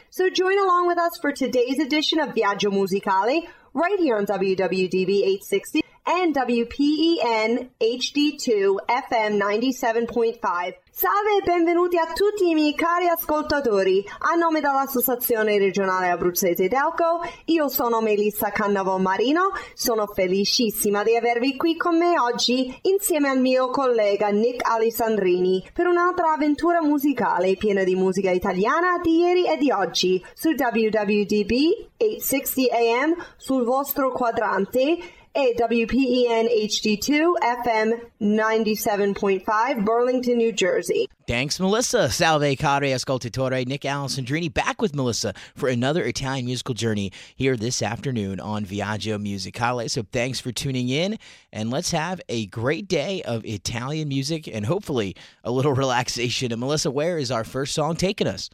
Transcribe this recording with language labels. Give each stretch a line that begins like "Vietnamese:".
English: So join along with us for today's edition of Viaggio Musicale, right here on WWDB 860 and WPEN HD2 FM 97.5.
Italian: Salve e benvenuti a tutti i miei cari ascoltatori. A nome dell'Associazione Regionale Abruzzese Delco, io sono Melissa Cannavo Marino. Sono felicissima di avervi qui con me oggi insieme al mio collega Nick Alessandrini per un'altra avventura musicale piena di musica italiana di ieri e di oggi su WWDB 860 AM sul vostro quadrante e WPEN HD2 FM 97.5 Burlington, New Jersey.
English: Thanks,
Italian: Melissa. Salve, cari ascoltatore.
English: Nick Alessandrini back with Melissa for another Italian musical journey here this afternoon on Viaggio Musicale. So thanks for tuning in, and let's have a great day of Italian music and hopefully a little relaxation. And Melissa, where is our first song taking us?